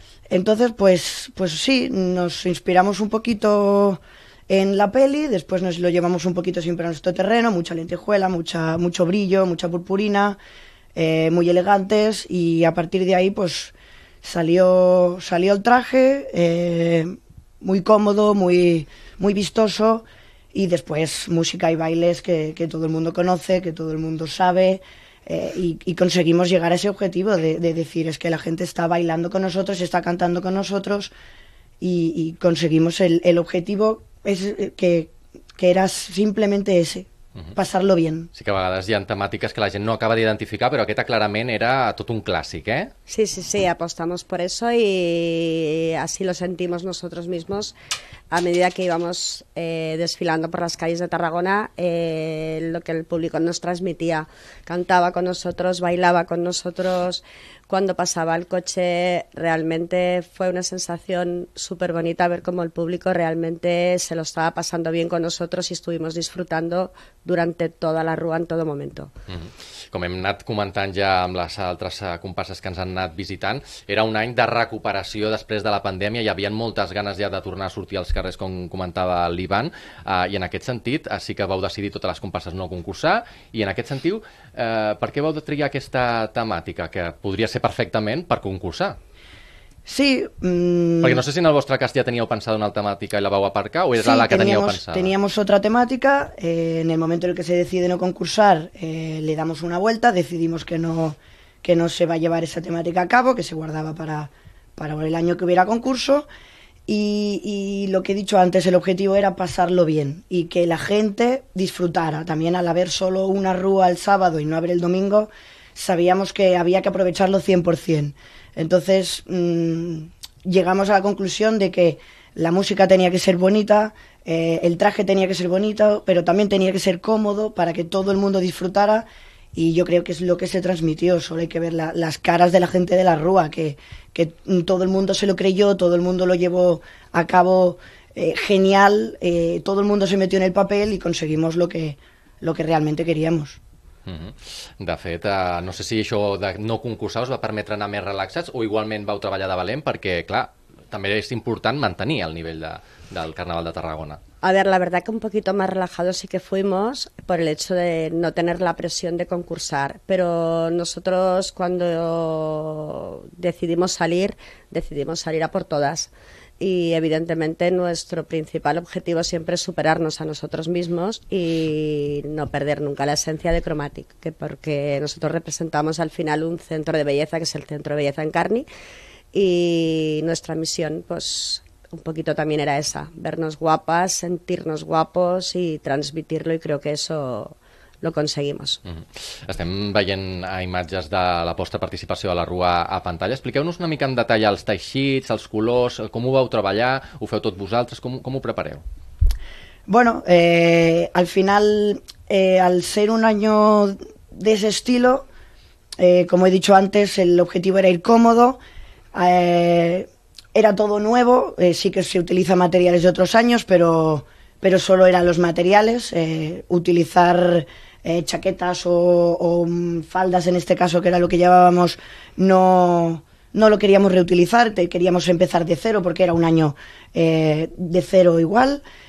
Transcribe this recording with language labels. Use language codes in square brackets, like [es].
[es] Entonces, pues sí, nos inspiramos un poquito en la peli, después nos lo llevamos un poquito siempre a nuestro terreno, mucha lentejuela, mucho brillo, mucha purpurina, muy elegantes y a partir de ahí pues Salió el traje, muy cómodo, muy, muy vistoso, y después música y bailes que todo el mundo conoce, que todo el mundo sabe, y conseguimos llegar a ese objetivo de decir, es que la gente está bailando con nosotros, está cantando con nosotros, y conseguimos el objetivo que era simplemente ese. [ca] Passar-lo bé. Sí que a vegades hi ha temàtiques que la gent no acaba d'identificar, però aquesta clarament era tot un clàssic, eh? [es] Sí, sí, sí, apostamos por eso y así lo sentimos nosotros mismos a medida que íbamos desfilando por las calles de Tarragona, lo que el público nos transmitía. Cantaba con nosotros, bailaba con nosotros, cuando pasaba el coche realmente fue una sensación súper bonita ver cómo el público realmente se lo estaba pasando bien con nosotros y estuvimos disfrutando durante toda la rúa en todo momento. [ca] Com hem anat comentant ja amb les altres comparses que ens han anat visitant, era un any de recuperació després de la pandèmia, hi havia moltes ganes ja de tornar a sortir als carrers, com comentava l'Ivan, i en aquest sentit sí que vau decidir totes les comparses no concursar, i en aquest sentit, per què vau triar aquesta temàtica, que podria ser perfectament per concursar? Sí. Perquè no sé si en el vostre cas ja teníeu pensat una temàtica i la vau aparcar, o era sí, la que teníeu pensada? [es] Sí, teníamos otra temática. En el momento en el que se decide no concursar, le damos una vuelta, decidimos que no se va a llevar esa temática a cabo, que se guardaba para el año que hubiera concurso. Y lo que he dicho antes, el objetivo era pasarlo bien y que la gente disfrutara. También al haber solo una rúa el sábado y no haber el domingo, sabíamos que había que aprovecharlo 100%. Entonces llegamos a la conclusión de que la música tenía que ser bonita, el traje tenía que ser bonito, pero también tenía que ser cómodo para que todo el mundo disfrutara, y yo creo que es lo que se transmitió. Solo hay que ver las caras de la gente de la rúa, que todo el mundo se lo creyó, todo el mundo lo llevó a cabo genial, todo el mundo se metió en el papel y conseguimos lo que realmente queríamos. [ca] De fet, no sé si això de no concursar us va permetre anar més relaxats o igualment vau treballar de valent, perquè, clar, també és important mantenir el nivell del Carnaval de Tarragona. [es] A ver, la verdad que un poquito más relajados sí que fuimos por el hecho de no tener la presión de concursar, pero nosotros cuando decidimos salir a por todas. y evidentemente nuestro principal objetivo siempre es superarnos a nosotros mismos y no perder nunca la esencia de Cromatic, que porque nosotros representamos al final un centro de belleza, que es el Centro de Belleza Encarni, y nuestra misión pues un poquito también era esa, vernos guapas, sentirnos guapos y transmitirlo, y creo que eso lo conseguimos. Mm-hmm. [ca] Estem veient imatges de la vostra participació a la rua a pantalla. Expliqueu-nos una mica en detall els teixits, els colors, com ho vau treballar, ho feu tot vosaltres, com ho prepareu? [es] Bueno, al final, al ser un año de ese estilo, como he dicho antes, el objetivo era ir cómodo, era todo nuevo, sí que se utiliza materiales de otros años, pero solo eran los materiales, utilizar chaquetas o faldas, en este caso, que era lo que llevábamos, no lo queríamos reutilizar, queríamos empezar de cero, porque era un año de cero igual.